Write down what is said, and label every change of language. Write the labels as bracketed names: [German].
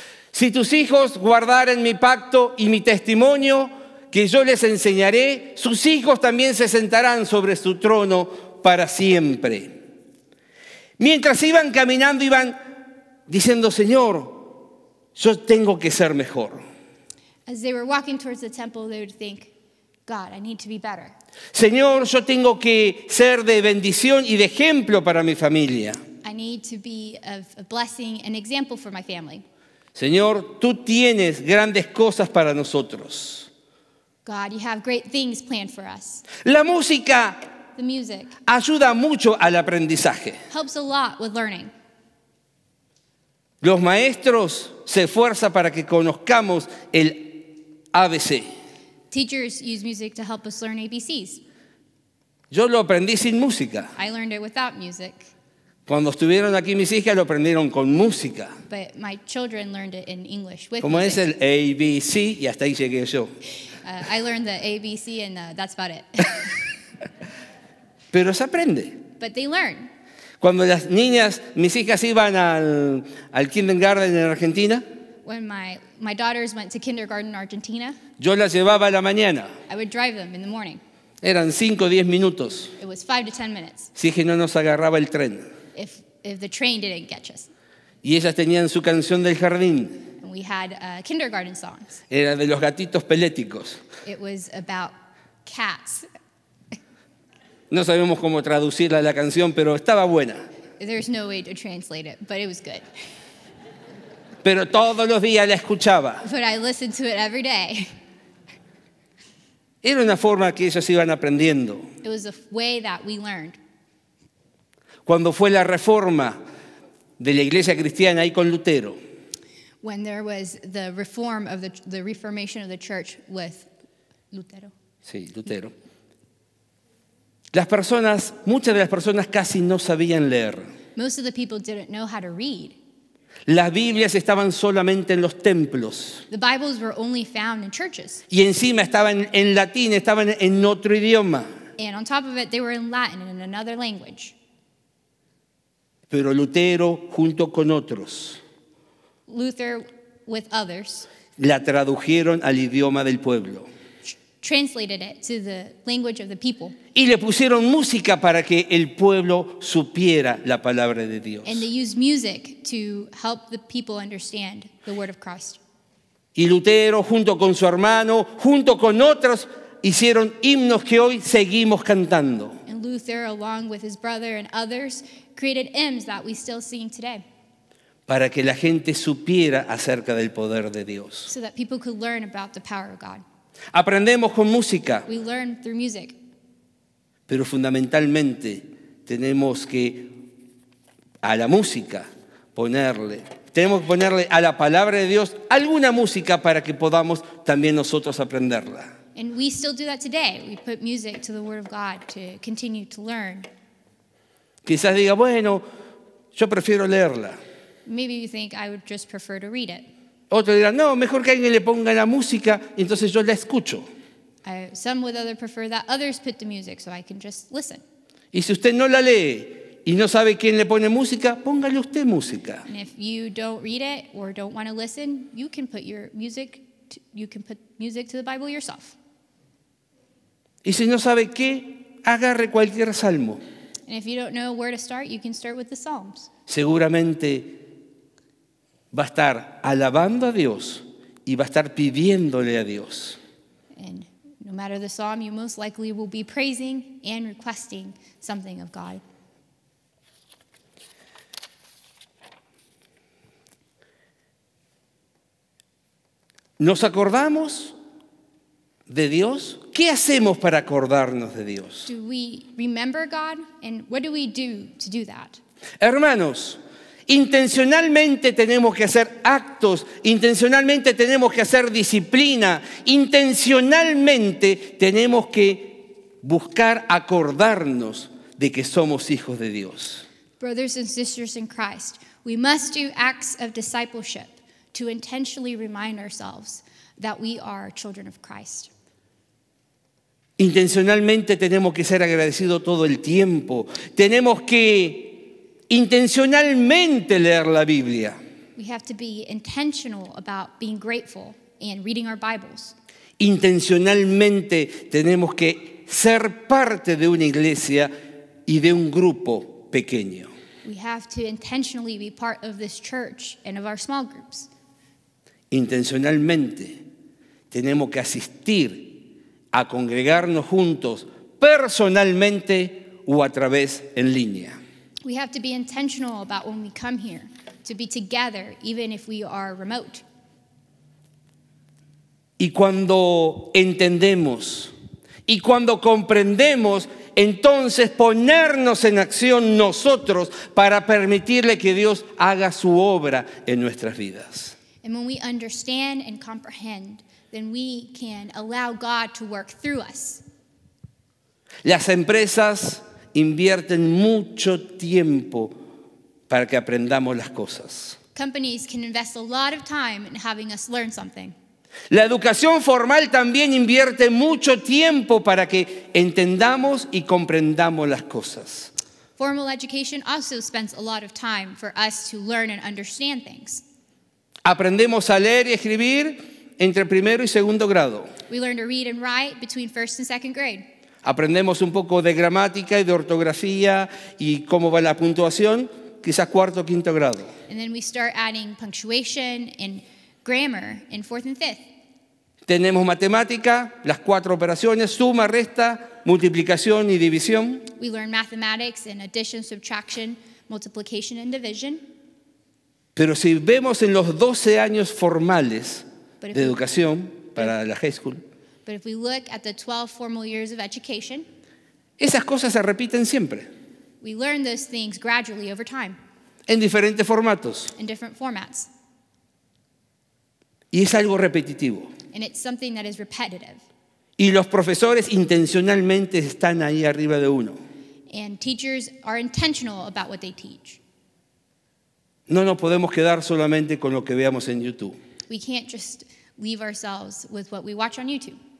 [Spanish] Si tus hijos guardaren mi pacto y mi testimonio, que yo les enseñaré, sus hijos también se sentarán sobre su trono para siempre. Mientras iban caminando, iban diciendo, Señor, yo tengo que ser mejor. [English] As they were walking towards the temple, they would think, God, I need to be better. [Spanish] Señor, yo tengo que ser de bendición y de ejemplo para mi familia. [English] I need to be of a blessing and example for my family. [Spanish] Señor, tú tienes grandes cosas para nosotros. [English] God, you have great things planned for us. [Spanish] La música, [English] the music, [Spanish] ayuda mucho al aprendizaje. [English] Helps a lot with learning. [Spanish] Los maestros se esfuerzan para que conozcamos el ABC. [English] Teachers use music to help us learn ABCs. [Spanish] Yo lo aprendí sin música. [English] I learned it without music. [Spanish] Cuando estuvieron aquí mis hijas lo aprendieron con música. [English] But my children learned it in English with [Spanish] Como [English] music. [Spanish] Es el ABC y hasta ahí llegué yo. [English] I learned the ABC and that's about it. [Spanish] Pero se aprende. [English] But they learn. [Spanish] Cuando las niñas, mis hijas iban al kindergarten en Argentina, [English] when my daughters went to kindergarten in Argentina, [Spanish] yo las llevaba a la mañana. [English] I would drive them in the morning. [Spanish] Eran 5 o 10 minutos. [English] It was 5 to 10 minutes. [Spanish] Si es que no nos agarraba el tren. [English] If the train didn't catch us. [Spanish] Y ellas tenían su canción del jardín. [English] And we had kindergarten songs. [Spanish] Era de los gatitos peléticos. [English] It was about cats. [Spanish] No sabemos cómo traducirla la canción, pero estaba buena. [English] There's no way to translate it, but it was good. [Spanish] Pero todos los días la escuchaba. [English] But I listened to it every day. [Spanish] Era una forma que ellos iban aprendiendo. [English] It was a way that we learned. [Spanish] Cuando fue la reforma de la iglesia cristiana ahí con Lutero. [English] When there was the reform of the reformation of the church with Lutero. [Spanish] Sí, Lutero. Las personas, muchas de las personas casi no sabían leer. [English] Most of the people didn't know how to read. [Spanish] Las Biblias estaban solamente en los templos. [English] The Bibles were only found in churches. [Spanish] Y encima estaban en latín, estaban en otro idioma. [English] And on top of it, they were in Latin, in another language. [Spanish] Pero Lutero, junto con otros, [English] Luther with others, [Spanish] la tradujeron al idioma del pueblo. [English] Translated it to the language of the people. [Spanish] Y le pusieron música para que el pueblo supiera la palabra de Dios. [English] And they used music to help the people understand the word of Christ. [Spanish] Y Lutero, junto con su hermano, junto con otros, hicieron himnos que hoy seguimos cantando. [English] And Luther, along with his brother and others, created hymns that we still sing today. [Spanish] Para que la gente supiera acerca del poder de Dios. [English] So that people could learn about the power of God. [Spanish] Aprendemos con música. [English] We learn through music. [Spanish] Pero fundamentalmente tenemos que a la música ponerle, tenemos que ponerle a la palabra de Dios alguna música para que podamos también nosotros aprenderla. [English] And we still do that today. We put music to the word of God to continue to learn. [Spanish] Quizás diga, bueno, yo prefiero leerla. [English] Maybe you think I would just prefer to read it. [Spanish] Otros dirán, no, mejor que alguien le ponga la música, entonces yo la escucho. [English] Some would other prefer that others put the music so I can just listen. [Spanish] Y si usted no la lee y no sabe quién le pone música, póngale usted música. [English] And if you don't read it or don't want to listen, you can put your music to the Bible yourself. [Spanish] Y si no sabe qué, agarre cualquier salmo. [English] And if you don't know where to start, you can start with the Psalms. [Spanish] Seguramente va a estar alabando a Dios y va a estar pidiéndole a Dios. [English] And no matter the psalm, you most likely will be praising and requesting something of God. [Spanish] ¿Nos acordamos de Dios? ¿Qué hacemos para acordarnos de Dios? [English] Do we remember God? And what do we do to do that? [Spanish] Hermanos, intencionalmente tenemos que hacer actos, intencionalmente tenemos que hacer disciplina, intencionalmente tenemos que buscar acordarnos de que somos hijos de Dios. [English] Brothers and sisters in Christ, we must do acts of discipleship to intentionally remind ourselves that we are children of Christ. [Spanish] Intencionalmente tenemos que ser agradecidos todo el tiempo. Tenemos que intencionalmente leer la Biblia. [English] We have to be intentional about being grateful and reading our Bibles. [Spanish] Intencionalmente tenemos que ser parte de una iglesia y de un grupo pequeño. [English] We have to intentionally be part of this church and of our small groups. [Spanish] Intencionalmente tenemos que asistir a congregarnos juntos personalmente o a través en línea. [English] We have to be intentional about when we come here, to be together, even if we are remote. [Spanish] Y cuando entendemos, y cuando comprendemos, entonces ponernos en acción nosotros para permitirle que Dios haga su obra en nuestras vidas. [English] And when we understand and comprehend, then we can allow God to work through us. [Spanish] Las empresas invierten mucho tiempo para que aprendamos las cosas. [English] Companies can invest a lot of time in having us learn something. [Spanish] La educación formal también invierte mucho tiempo para que entendamos y comprendamos las cosas. [English] Formal education also spends a lot of time for us to learn and understand things. [Spanish] Aprendemos a leer y escribir entre primero y segundo grado. [English] We learn to read and write between first and second grade. [Spanish] Aprendemos un poco de gramática y de ortografía y cómo va la puntuación, quizás cuarto o quinto grado. [English] And then we start adding punctuation and grammar in fourth and fifth. [Spanish] Tenemos matemática, las cuatro operaciones, suma, resta, multiplicación y división. [English] We learn mathematics and addition, subtraction, multiplication and division. [Spanish] Pero si vemos en los 12 años formales de educación para la high school, [English] but if we look at the 12 formal years of education, [Spanish] esas cosas se repiten siempre. [English] We learn those things gradually over time. [Spanish] En diferentes formatos. [English] In different formats. [Spanish] Y es algo repetitivo. [English] And it's something that is repetitive. [Spanish] Y los profesores intencionalmente están ahí arriba de uno. [English] And teachers are intentional about what they teach. [Spanish] No nos podemos quedar solamente con lo que veamos en YouTube. [English] We can't just leave ourselves with what we watch on YouTube.